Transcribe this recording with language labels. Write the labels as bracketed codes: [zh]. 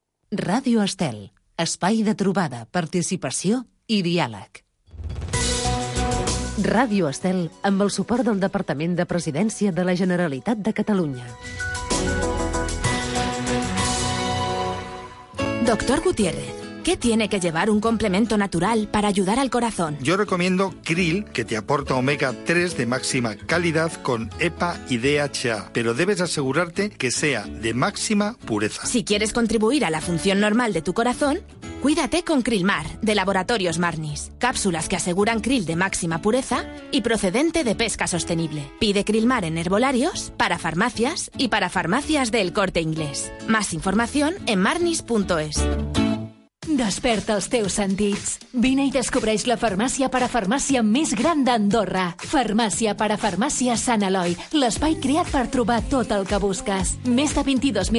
[ca] Ràdio Estel, espai de trobada, participació i diàleg. Ràdio Estel, amb el suport del Departament de Presidència de la Generalitat de Catalunya. [es] Doctor Gutiérrez, ¿qué tiene que llevar un complemento natural para ayudar al corazón? Yo recomiendo krill, que te aporta omega 3 de máxima calidad con EPA y DHA, pero debes asegurarte que sea de máxima pureza. Si quieres contribuir a la función normal de tu corazón, cuídate con Krillmar, de Laboratorios Marnis. Cápsulas que aseguran krill de máxima pureza y procedente de pesca sostenible. Pide Krillmar en herbolarios, para farmacias y para farmacias del Corte Inglés. Más información en marnis.es. [ca] Desperta els teus sentits. Vine i descobreix la farmàcia per a farmàcia més gran d'Andorra. Farmàcia per a farmàcia Sant Eloi. L'espai creat per trobar tot el que busques. Més de 22.000